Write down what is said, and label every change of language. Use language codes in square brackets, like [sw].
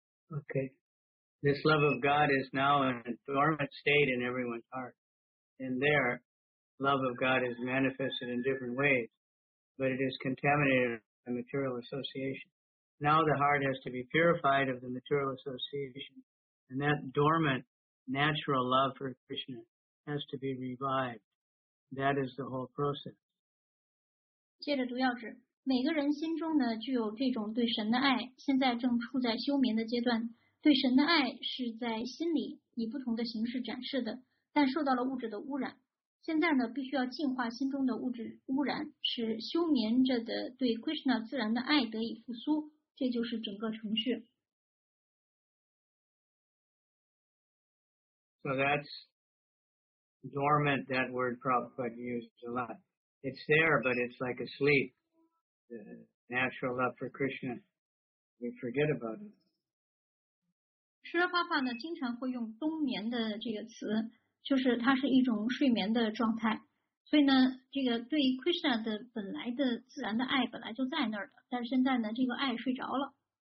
[en] Okay, this love of God is now in a dormant state in everyone's heart, and there, love of God is manifested in different ways. But it is contaminated by material association. Now the heart has to be purified of the material association, and that dormant natural love for Krishna has to be revived. That is the whole process. [zh] 接着读药旨，每个人心中呢具有这种对神的爱，现在正处在休眠的阶段。对神的爱是在心里以不同的形式展示的，但受到了物质的污染。现在呢，必须要净化心中的物质污染，使休眠着的对 Krishna 自然的爱得以复苏。这就是整个程序。 [en] So that's dormant. That word Prabhupada used a lot. It's there, but it's like asleep. The natural love for Krishna, we forget about it. [zh] 师父法呢，经常会用冬眠的这个词。就是它是一种睡眠的状态，所以呢，这个对 Krishna 的本来的自然的爱本来就在那儿的，但是现在呢，这个爱睡着了。